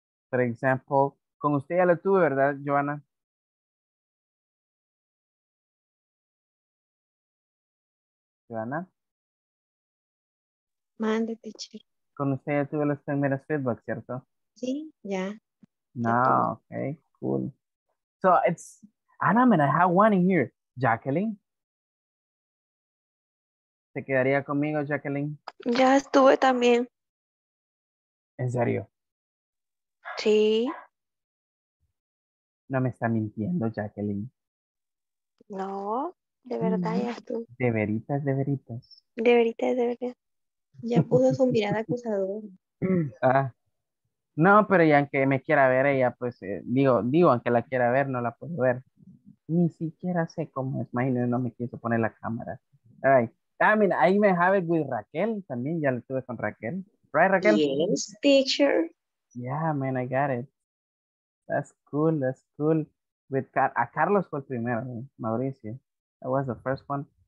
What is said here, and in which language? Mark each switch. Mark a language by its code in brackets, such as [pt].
[en] For example, [es] con usted ya lo tuve, ¿verdad, Joanna? Joanna? Mande, teacher. Con usted ya tuve los primeros feedback, ¿cierto? Sí, ya. [en] Yeah. No, okay, cool. So it's, Anna, man, I have one in here, Jacqueline. [es] ¿Se quedaría conmigo, Jacqueline? Ya estuve también. ¿En serio? Sí. No me está mintiendo, Jacqueline. No, de verdad, ya estuve. De veritas, de veritas. De veritas, de veritas. Ya puso su mirada acusadora. Ah. No, pero ya aunque me quiera ver ella, pues, digo, aunque la quiera ver, no la puedo ver. Ni siquiera sé cómo es. Imagínate, no me quiso poner la cámara. All right. [en] I mean, I even have it with Raquel. [es] También ya lo tuve con Raquel. Right, Raquel? [en] Yes, teacher. Yeah, man, I got it. That's cool. That's cool. With a Carlos [es] fue el primero, [en] Mauricio. That was the first one.